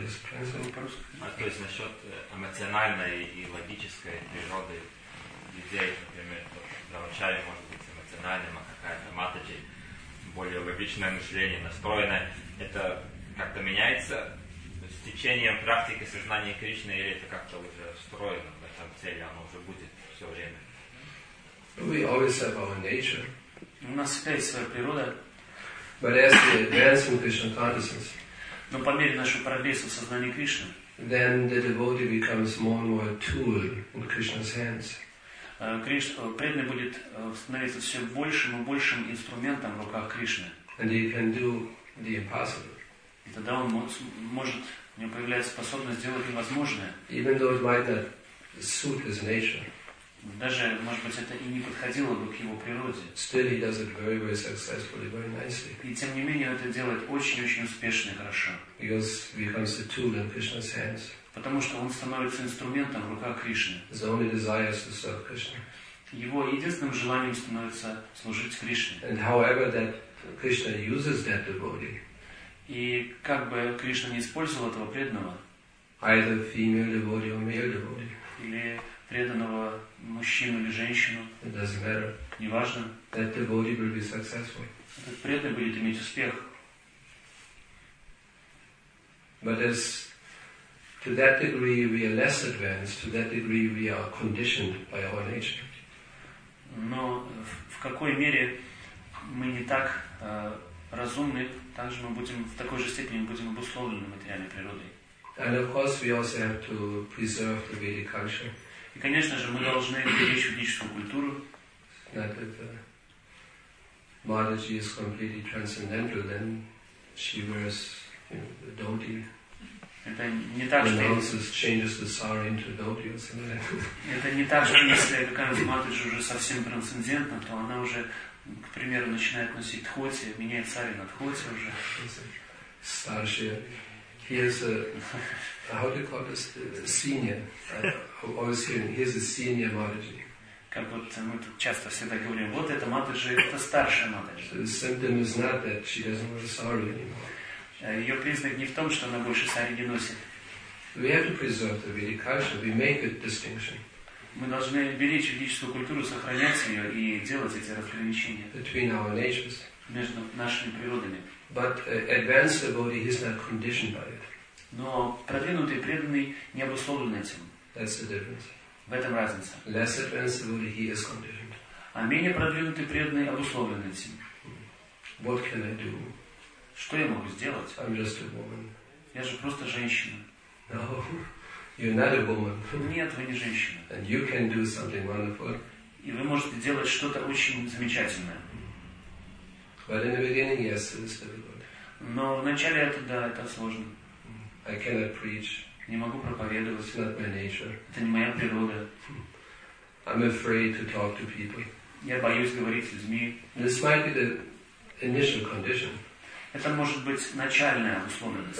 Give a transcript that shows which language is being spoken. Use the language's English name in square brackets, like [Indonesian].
[Russian] То есть насчет эмоциональной и логической природы людей, например, брахмачари может быть эмоциональным, а какая-то матаджи более логичное мышление настроенное, это как-то меняется с течением практики сознания Кришны, или это как-то уже встроено в этом теле, оно уже будет все время? [English] We always have our nature. [Russian] У нас есть своя природа. [English] But as we advance in Krishna consciousness, [Russian] но по мере нашего прогресса в сознании Кришны, [English] then the devotee becomes more and more a tool in Krishna's hands. [Russian] Преданный будет становиться все большим и большим инструментом в руках Кришны. [English] And he can do the impossible. [Russian] И тогда он может, у него появляется способность делать невозможное. [English] Even though it might not suit his nature. [Russian] Даже, может быть, это и не подходило бы к его природе. [English] Still he does it very, very successfully, very nicely. [Russian] И тем не менее, это делает очень-очень успешно и хорошо. [English] Because he becomes a tool in Krishna's hands. [Russian] Потому что он становится инструментом в руках Кришны. [English] His only desire is to serve Krishna. [Russian] Его единственным желанием становится служить Кришне. [English] And however that Krishna uses that devotee. [Russian] И как бы Кришна не использовал этого преданного. [English] Either female devotee or male devotee. [Russian] Или преданного мужчину или женщину. [English] It doesn't matter. [Russian] Неважно. [English] That devotee will be successful. [Russian] Этот преданный будет иметь успех. [English] But as to that degree we are less advanced, to that degree we are conditioned by our nature. [Russian] но в какой мере мы не так разумны, также мы будем в такой же степени будем обусловлены материальной природой. [English] And of course, we also have to preserve the Vedic culture. [Russian] И конечно же мы должны беречь ведическую культуру. [English] That if Madhaji is completely transcendental, then she wears, the dhoti. [Russian] Это не так, что [English] changes the sari into dhoti or something. [Russian] Это не так, что если какая-нибудь Мадхаджи уже совсем трансцендентна, то она уже, к примеру, начинает носить дхоти, меняет сари на дхоти уже. Старшая. [English] Here's a, how do you call this, a senior, always hearing, here's a senior Madhaji. [Russian] Как вот мы тут часто всегда говорим, вот это Мадхаджи, это старшая Мадхаджи. [English] So the symptom is not that she doesn't wear sari anymore. [Russian] Ее признак не в том, что она больше сари не носит. [English] We have to preserve the Vedic culture, we make a distinction. [Russian] Мы должны беречь ведическую культуру, сохранять ее и делать эти разграничения. [English] Between our natures. [Russian] Между нашими природами. [English] But advanced devotee is not conditioned by it. [Russian] Но продвинутый преданный не обусловлен этим. [English] That's the difference. [Russian] В этом разница. [English] Less advanced devotee he is conditioned. [Russian] А менее продвинутый преданный обусловлен этим. [English] What can I do? [Russian] Что я могу сделать? [English] I'm just a woman. [Russian] Я же просто женщина. [English] No, you're not a woman. [Russian] Нет, вы не женщина. [English] And you can do something wonderful. [Russian] И вы можете делать что-то очень замечательное. [English] But in the beginning, yes, it is difficult. [Russian] Но вначале это да, это сложно. [English] I cannot preach. [Russian] Не могу проповедовать. [English] It's not my nature. [Russian] Это не моя природа. [English] I'm afraid to talk to people. [Russian] Я боюсь говорить с людьми. [English] This might be the initial condition. [Russian] Это может быть начальная условность.